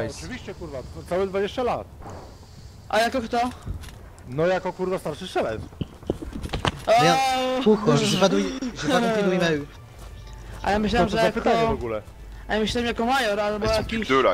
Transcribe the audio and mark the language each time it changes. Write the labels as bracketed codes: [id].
[pl] Oczywiście kurwa, całe 20 lat. A jako kto? No jako kurwa starszy strzelec. [fr] Merde, pucho, j'ai pas compris d'où il m'a eu. [pl] A ja myślałem, że jako... A ja myślałem jako major, albo jakiś...